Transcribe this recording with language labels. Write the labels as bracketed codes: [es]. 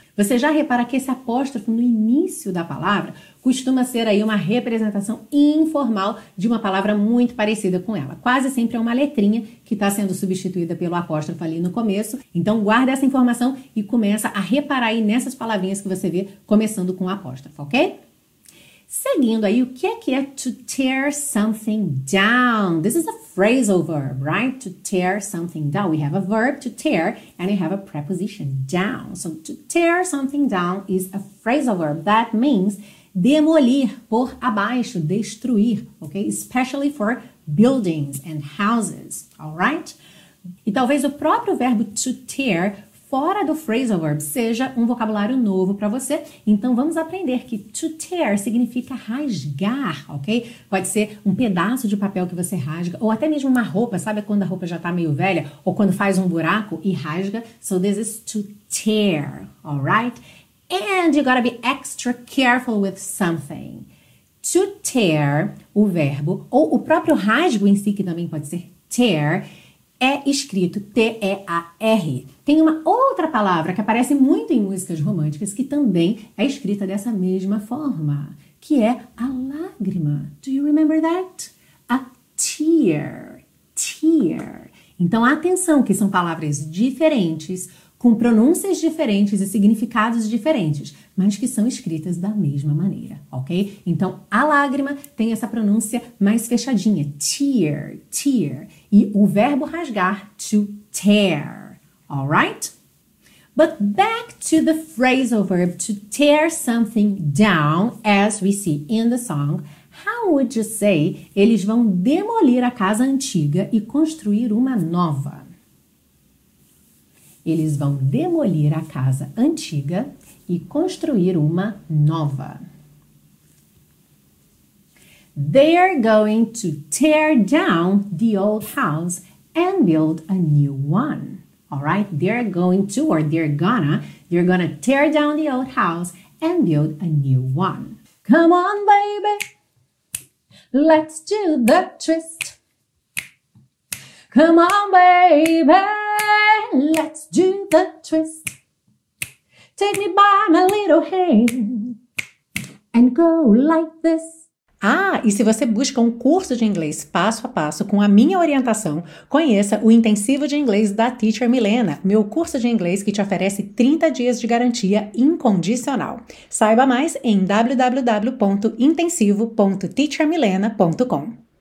[pt] Você já repara que esse apóstrofo no início da palavra costuma ser aí uma representação informal de uma palavra muito parecida com ela. Quase sempre é uma letrinha que está sendo substituída pelo apóstrofo ali no começo. Então, guarda essa informação e começa a reparar aí nessas palavrinhas que você vê começando com apóstrofo, ok? Seguindo aí, o que é [en] to tear something down? This is a phrasal verb, right? To tear something down. We have a verb to tear and we have a preposition down. So to tear something down is a phrasal verb. That means [pt] demolir, pôr abaixo, destruir, [en] okay? Especially for buildings and houses, all right? [pt] E talvez o próprio verbo to tear fora do phrasal verb seja um vocabulário novo para você. Então, vamos aprender que to tear significa rasgar, ok? Pode ser um pedaço de papel que você rasga, ou até mesmo uma roupa. Sabe quando a roupa já está meio velha? Ou quando faz um buraco e rasga? [en] So, this is to tear, alright? And you gotta be extra careful with something. [pt] To tear, o verbo, ou o próprio rasgo em si, que também pode ser tear, é escrito T-E-A-R. Tem uma outra palavra que aparece muito em músicas românticas que também é escrita dessa mesma forma, que é a lágrima. [en] Do you remember that? A tear. Tear. [pt] Então, atenção que são palavras diferentes, com pronúncias diferentes e significados diferentes, mas que são escritas da mesma maneira, ok? Então, a lágrima tem essa pronúncia mais fechadinha, tear, tear, e o verbo rasgar, to tear, alright? [en] But back to the phrasal verb, to tear something down, as we see in the song, how would you say [pt] eles vão demolir a casa antiga e construir uma nova? Eles vão demolir a casa antiga e construir uma nova. [en] They're going to tear down the old house and build a new one. All right? They're going to, or they're gonna tear down the old house and build a new one. Come on, baby. Let's do the twist. Come on, baby. Let's do the twist. Take me by my little hand and go like this. [pt] Ah, e se você busca um curso de inglês passo a passo com a minha orientação, conheça o Intensivo de Inglês da Teacher Milena, meu curso de inglês que te oferece 30 dias de garantia incondicional. Saiba mais em www.intensivo.teachermilena.com.